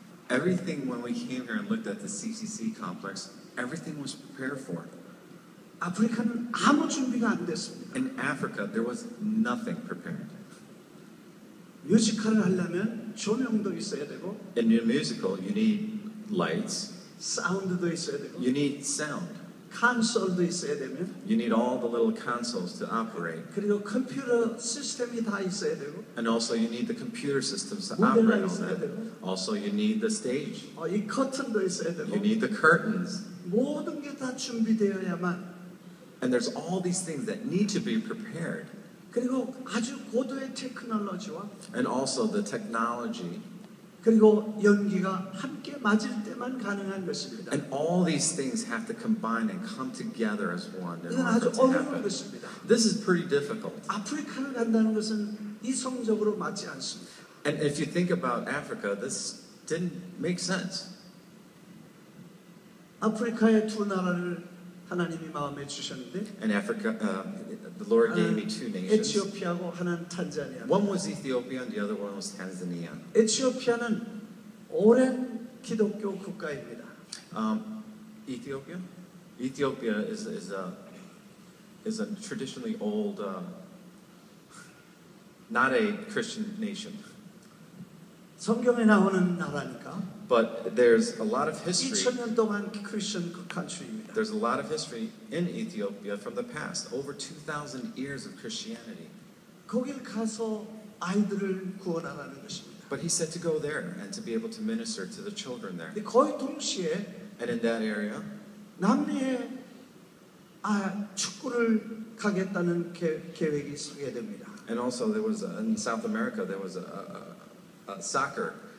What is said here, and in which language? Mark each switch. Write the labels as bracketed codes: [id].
[en] Everything when we came here and looked at the CCC complex, everything was prepared for. [ko] 아프리카는 아무 준비가 안 됐습니다. [en] In Africa, there was nothing prepared. [ko] 뮤지컬을 하려면 조명도 있어야 되고 [en] In your musical, you need lights. [ko] 사운드도 있어야 되고 [en] You need sound. [ko] 콘솔도 있어야 되면 [en] You need all the little consoles to operate. [ko] 그리고 컴퓨터 시스템이 다 있어야 되고 [en] And also you need the computer systems to operate on that. [ko] 무대가 있어야 되고 [en] Also you need the stage. [ko] 이 커튼도 있어야 되고 [en] You need the curtains. [ko] 모든 게 다 준비되어야만 [en] And there's all these things that need to be prepared. [ko] 그리고 아주 고도의 테크놀로지와 [en] And also the technology [ko] 그리고 연기가 함께 맞을 때만 가능한 것입니다. [en] And all these things have to combine and come together as one. [ko] 이건 아주 어려운 것입니다. [en] This is pretty difficult. [ko] 아프리카를 간다는 것은 이성적으로 맞지 않습니다. [en] And if you think about Africa, this didn't make sense. [ko] 아프리카의 두 나라를 하나님이 마음에 주셨는데 [en] And Africa, the Lord gave me two nations. [ko] 에티오피아고 하나는 탄자니아. [en] One was Ethiopia and the other one was Tanzania. [ko] 에티오피아는 오랜 기독교 국가입니다. [en] Ethiopia? Ethiopia is a traditionally old not a Christian nation. [ko] 성경에 나오는 나라니까. [en] But there's a lot of history. [ko] 2000년 동안 [en] Christian country [ko] 입니다. [en] There's a lot of history in Ethiopia from the past, over 2,000 years of Christianity. [ko] 거길 가서 아이들을 구원하라는 것입니다. [en] But he said to go there and to be able to minister to the children there. [ko] 거의 동시에 [en] And in that area, [ko] 남미에 축구를 가겠다는 계획이 서게 됩니다. [en] And also there was in South America there was a soccer.